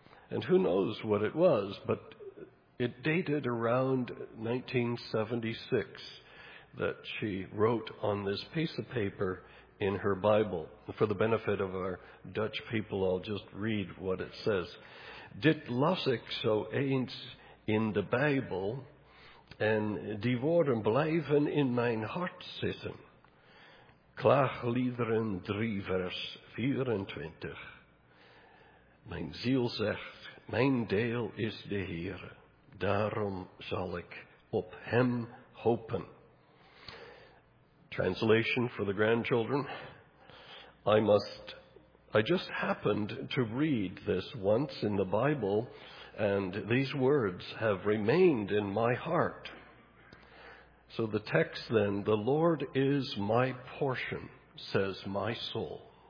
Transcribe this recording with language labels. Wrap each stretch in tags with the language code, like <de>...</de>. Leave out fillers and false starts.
<en>And who knows what it was, but it dated around 1976 that she wrote on this piece of paper in her Bible. For the benefit of our Dutch people, I'll just read what it says.</en> <nl>Dit las ik zo eens in de Bijbel. En die woorden blijven in mijn hart zitten. Klaagliederen 3 vers 24. Mijn ziel zegt, mijn deel is de Heere. Daarom zal ik op hem hopen.</nl> <en>Translation for the grandchildren. I just happened to read this once in the Bible, and these words have remained in my heart. So the text then, the Lord is my portion, says my soul.</en>